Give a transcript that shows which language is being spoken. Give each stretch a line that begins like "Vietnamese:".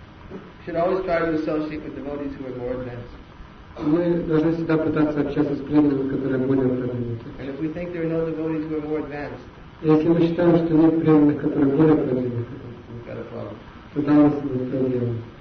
English: We should always try to associate with devotees who are more advanced.
Russian: Мы должны всегда пытаться общаться с преданными, которые более продвинуты.
English: And if we think there are no devotees who are more advanced,
Russian: если мы считаем, что нет преданных, которые более продвинуты, тогда у нас будет проблема.